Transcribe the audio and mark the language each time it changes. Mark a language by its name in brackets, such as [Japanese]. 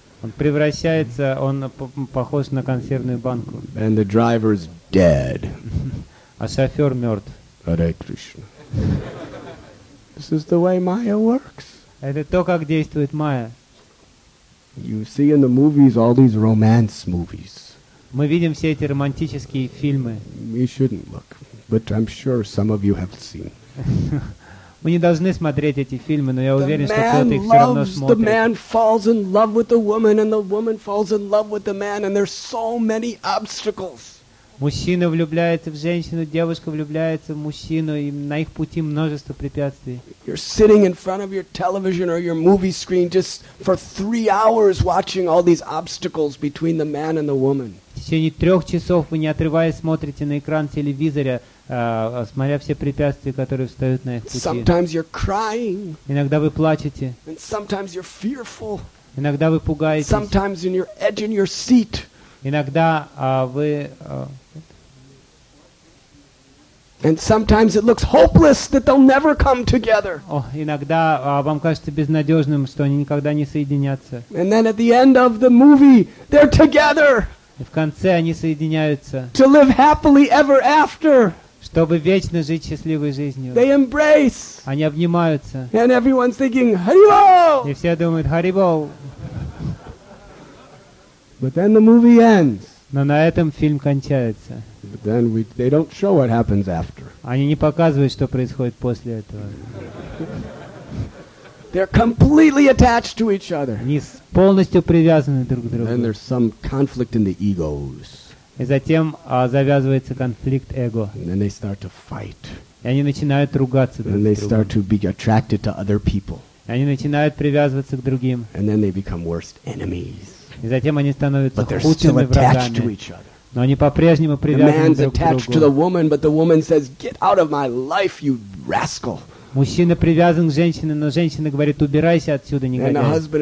[Russian] Он превращается, он похож на консервную банку. [English] And the driver is dead. [Russian] А шофер мертв. [English] Hare Krishna. This is the way Maya works. [Russian] Это то, как действует Майя. [English] You see in the movies all these romance movies. [Russian] Мы видим все эти романтические фильмы. [English] You shouldn't look, but I'm sure some of you have seen. [Russian] Мы не должны смотреть эти фильмы, но я уверен, что кто-то их все равно смотрит. [English] The man falls in love with the woman, and the woman falls in love with the man, and there's so many obstacles. [Russian] Мужчина влюбляется в женщину, девушка влюбляется в мужчину, и на их пути множество препятствий. [English] You're sitting in front of your television or your movie screen just for 3 hours watching all these obstacles between the man and the woman. [Russian] В течение 3 часов вы не отрываясь смотрите на экран телевизора, смотря все препятствия, которые встают на их пути. [English] Sometimes you're crying. [Russian] Иногда вы плачете. [English] And sometimes you're fearful. [Russian] Иногда вы пугаетесь. [English] Sometimes in your edge in your seat. [Russian] Иногда вы. [English] And sometimes it looks hopeless that they'll never come together. [Russian] Иногда вам кажется безнадежным, что они никогда не соединятся. [English] And then at the end of the movie, they're together. [Russian] И в конце они соединяются. [English] To live happily ever after. [Russian] Чтобы вечно жить счастливой жизнью. [English] They embrace. [Russian] Они обнимаются. [English] And everyone's thinking, Haribol! [Russian] И все думают, Haribol! [English] But then the movie ends. [Russian] Но на этом фильм кончается. [English] But then they don't show what happens after. [Russian] Они не показывают, что происходит после этого. [English] They're completely attached to each other. [Russian] Они полностью привязаны друг к другу. [English] And then there's some conflict in the egos. [Russian] И затем завязывается конфликт эго. [English] And then they start to fight. [Russian] И они начинают ругаться друг с другом. [English] They start to be attracted to other people. [Russian] И они начинают привязываться к другим. [English] And then they become worst enemies. [Russian] И затем они становятся худшими врагами. Но они по-прежнему привязаны друг к другу. Мужчина привязан к женщине, но женщина говорит, убирайся отсюда, негодяй.